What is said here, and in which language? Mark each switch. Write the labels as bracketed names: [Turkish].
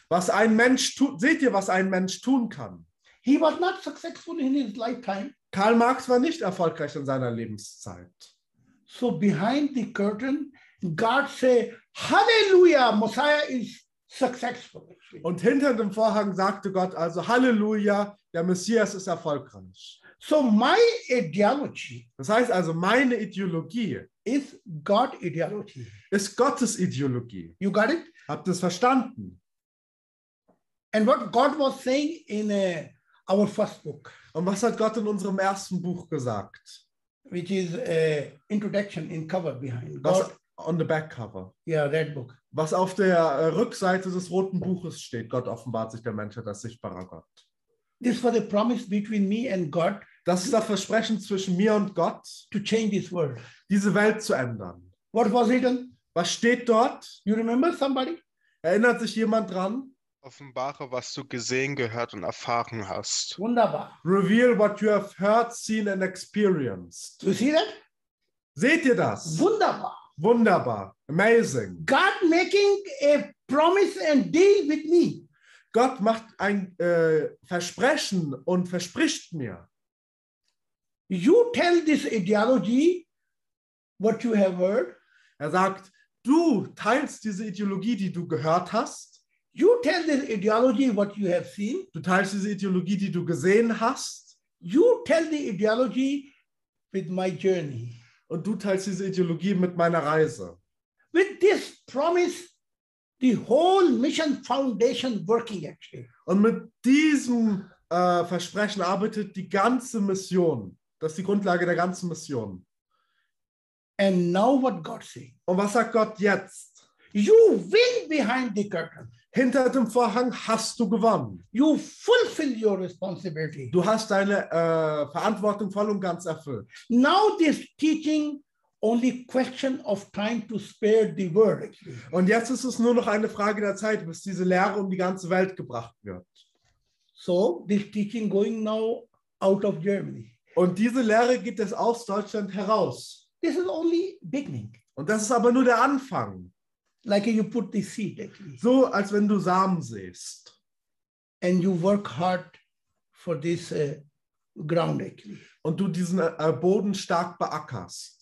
[German] Was ein Mensch tut, seht ihr, was ein Mensch tun kann? [English] He was not successful in his lifetime. [German] Karl Marx war nicht erfolgreich in seiner Lebenszeit. [English] So behind the curtain, God say, Hallelujah, Messiah is successful. [German] Und hinter dem Vorhang sagte Gott also, Hallelujah, der Messias ist erfolgreich. [English] So my ideology. [German] Das heißt also, meine Ideologie. [English] Is God ideology. [German] Ist Gottes Ideologie. [English] You got it? [German] Habt ihr es verstanden? [English] And what God was saying in our first book. [German] Und was hat Gott in unserem ersten Buch gesagt? [English] Which is introduction in cover behind. Was God, on the back cover. Yeah, red book. [German] Was auf der Rückseite des roten Buches steht. Gott offenbart sich der Menschheit als sichtbarer Gott. [English] This was a promise between me and God. [German] Das ist das Versprechen zwischen mir und Gott, [English] to change this world. [German] Diese Welt zu ändern. [English] What was it then? [German] Was steht dort? [English] You remember somebody? [German] Erinnert sich jemand dran? Offenbare, was du gesehen, gehört und erfahren hast. Wunderbar. [English] Reveal what you have heard, seen and experienced. You see that? [German] Seht ihr das? Wunderbar. Wunderbar. Amazing. [English] God making a promise and deal with me. [German] Gott macht ein Versprechen und verspricht mir. [English] You tell this ideology what you have heard. [German] Er sagt, du teilst diese Ideologie, die du gehört hast. [English] You tell this ideology what you have seen. [German] Du teilst diese Ideologie, die du gesehen hast. [English] You tell the ideology with my journey. [German] Und du teilst diese Ideologie mit meiner Reise. [English] With this promise. The whole mission foundation working actually. [German] Und mit diesem Versprechen arbeitet die ganze Mission. Das ist die Grundlage der ganzen Mission. [English] And now what God say? [German] Und was sagt Gott jetzt? [English] You win behind the curtain. [German] Hinter dem Vorhang hast du gewonnen. [English] You fulfill your responsibility. [German] Du hast deine Verantwortung voll und ganz erfüllt. [English] Now this teaching. Only question of time to spare the world. [German] Und jetzt ist es nur noch eine Frage der Zeit, bis diese Lehre um die ganze Welt gebracht wird. [English] So, this teaching going now out of Germany. [German] Und diese Lehre geht jetzt aus Deutschland heraus. [English] This is only beginning. [German] Und das ist aber nur der Anfang. [English] Like you put the seed. [German] So, als wenn du Samen säst. [English] And you work hard for this ground. [German] Und du diesen Boden stark beackerst.